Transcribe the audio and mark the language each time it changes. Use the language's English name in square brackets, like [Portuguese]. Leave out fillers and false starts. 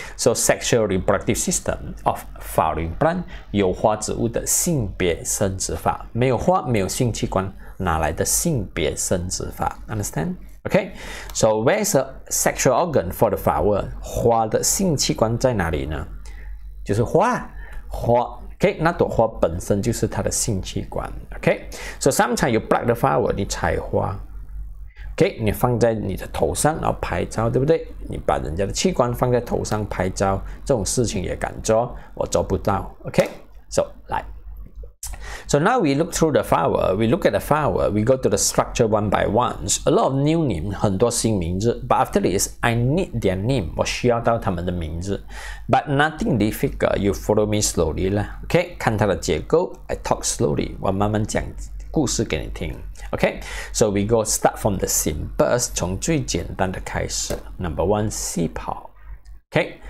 [English] So sexual reproductive system of flowering plant, [Chinese] 有花植物的性别生殖法。没有花，没有性器官。哪来的性别生殖法 ？ [English] Understand? Okay. So where's the sexual organ for the flower? [Chinese] 花的性器官在哪里呢？就是花，花。Okay. 那朵花本身就是它的性器官。 [English] Okay. So sometimes you pluck the flower, [Chinese] 你采花。 [English] Okay. [Chinese] 你放在你的头上，然后拍照，对不对？你把人家的器官放在头上拍照，这种事情也敢做？我做不到。Okay. So 来。 [English] So now we look through the flower, we look at the flower, we go to the structure one by one. A lot of new names, [Chinese] 很多新名字 [English] but after this, I need their name, [Chinese] 我需要到他们的名字 [English] But nothing difficult, you follow me slowly lah. Okay, [Chinese] 看它的结构 [English] I talk slowly, [Chinese] 我慢慢讲故事给你听 [English] Okay, so we go start from the simplest, [Chinese] 从最简单的开始 [English] Number one, 细胞 Okay.